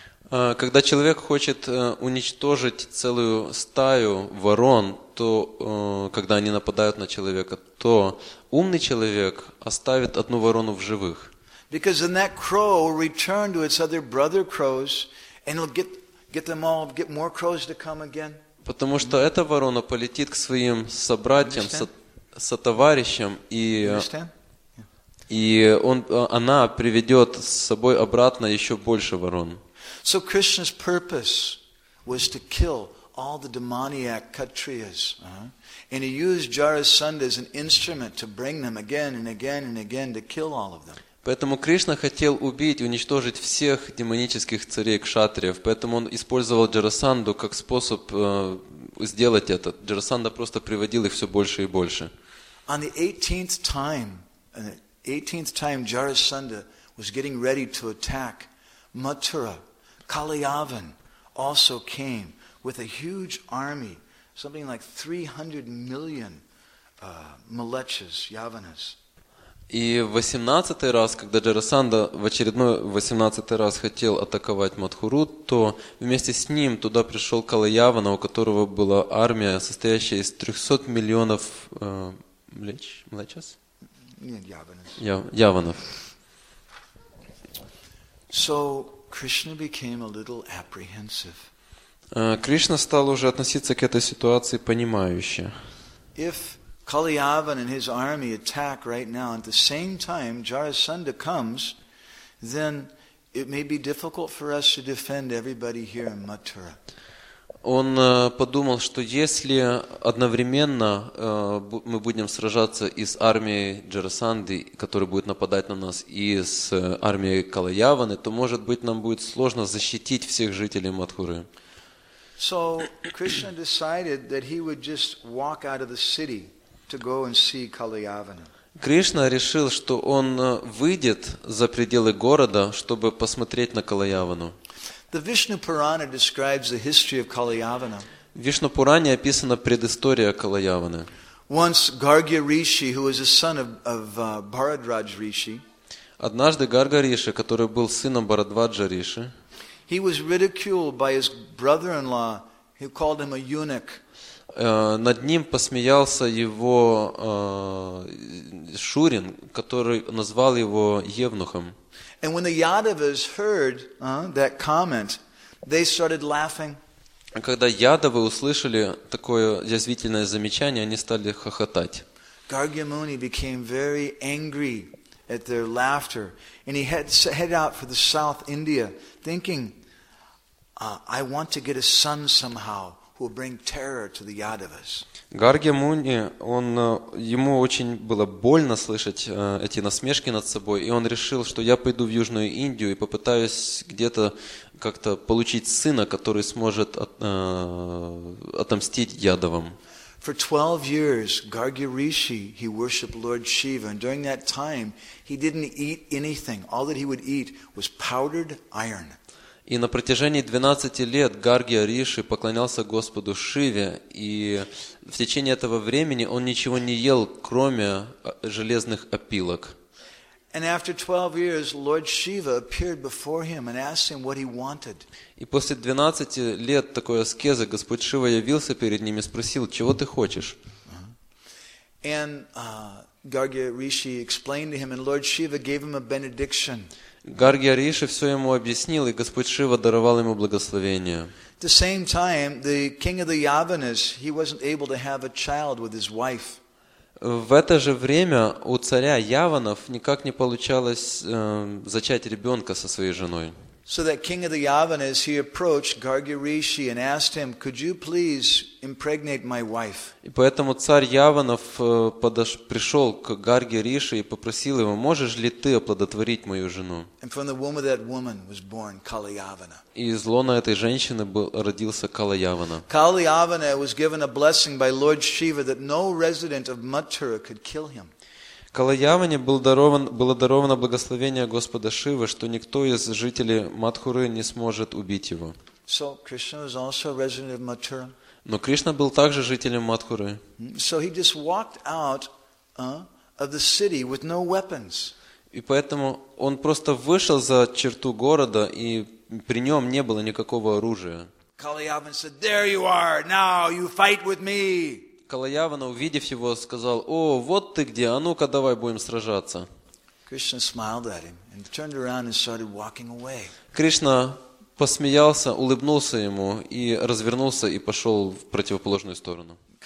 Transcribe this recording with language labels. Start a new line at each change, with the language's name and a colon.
Russian: Когда человек хочет уничтожить целую стаю ворон, то когда они нападают на человека, то умный человек оставит одну ворону в живых.
English: Because then that crow will return to its other brother crows, and it'll get them all, get more crows to come again.
Russian: Потому что эта ворона полетит к своим собратьям, сотоварищам и и он, она приведет с собой обратно еще больше ворон.
English: So Krishna's purpose was to kill all the demoniac Kshatriyas. And he used Jarasandha as an instrument to bring them again and again and again to kill all of them.
Russian: Поэтому Кришна хотел убить, уничтожить всех демонических царей кшатриев. Поэтому он использовал Джарасандху как способ сделать это. Джарасандха просто приводил их все больше и больше.
English: On the 18th time, 18th time Jarasandha was getting ready to attack Mathura, Kalyavan also came with a huge army, something like 300 million Malechas, Yavanas.
Russian: И в 18-й раз, когда Джарасанда в очередной 18-й раз хотел атаковать Матхуру, то вместе с ним туда пришел Калаявана, у которого была армия, состоящая из 300 миллионов млечас? Нет, яванов. Яванов.
English: So, Krishna became a little apprehensive.
Russian: Кришна стал уже относиться к этой ситуации понимающе.
English: Kalyavan and his army attack right now, at the same time Jarasandha comes, then it may be difficult for us to defend everybody here in Mathura.
Russian: Он подумал, что если одновременно мы будем сражаться и с армией Джарасанды, которая будет нападать на нас, и с армией Калаяваны, то, может быть, нам будет сложно защитить всех жителей Матхуры.
English: So, Krishna decided that he would just walk out of the city to go and see Kalyavana.
Russian: Кришна решил, что он выйдет за пределы города, чтобы посмотреть на Калаявану.
English: The Vishnu Purana describes the history of Kalyavana.
Russian: В Вишну Пуране описана предыстория Калаяваны.
English: Once Gargya Rishi, who was a son of Bharadvaj Rishi.
Russian: Однажды Гарга Риши, который был сыном Бхарадваджа Риши.
English: He was ridiculed by his brother-in-law, who called him a eunuch.
Russian: Над ним посмеялся его шурин, который назвал его евнухом.
English: And when the Yadavas heard that comment, they started laughing.
Russian: Когда Ядавы услышали такое язвительное замечание, они стали хохотать.
English: Gargya Muni became very angry at their laughter, and he headed out for the South India, thinking, I want to get a son somehow who will bring terror to the Yadavas.
Russian: Гарги Муни, ему очень было больно слышать эти насмешки над собой, и он решил, что я пойду в Южную Индию и попытаюсь где-то как-то получить сына, который сможет отомстить Ядавам.
English: For 12 years, Gargya Rishi, he worshipped Lord Shiva, and during that time, he didn't eat anything. All that he would eat was powdered iron.
Russian: И на протяжении 12 лет Гаргья Риши поклонялся Господу Шиве, и в течение этого времени он ничего не ел, кроме железных опилок. И после 12 лет такой аскезы Господь Шива явился перед ним и спросил, чего ты хочешь? Гаргья Риши объяснил ему, и Лорд Шива дал ему благословение. Гаргья Риши все ему объяснил, и Господь Шива даровал ему благословение.
English: At the same time, the king of the Yavanas, he wasn't able to have a child with his wife.
Russian: В это же время у царя Яванов никак не получалось зачать ребенка со своей женой.
English: So that king of the Yavanas, he approached Gargya Rishi and asked him, could you please impregnate my wife?
Russian: И поэтому царь Яванов пришел к Гарге Риши и попросил его, можешь ли ты оплодотворить мою жену?
English: And from the womb of that woman was born Kalyavana.
Russian: И из лона этой женщины родился Калаявана.
English: Kalyavana was given a blessing by Lord Shiva that no resident of Mathura could kill him.
Russian: Калаяване было даровано благословение Господа Шивы, что никто из жителей Матхуры не сможет убить его.
English: So, Krishna was also a resident of Mathura.
Russian: Но Кришна был также жителем Матхуры.
English: So he just walked out of the city with no weapons.
Russian: И поэтому он просто вышел за черту города, и при нем не было никакого оружия.
English: Kalyavan said, "There you are. Now you fight with me."
Russian: Калаявана, увидев его, сказал, «О, вот ты где, а ну-ка давай будем сражаться». Кришна посмеялся, улыбнулся ему и развернулся и пошел в противоположную сторону.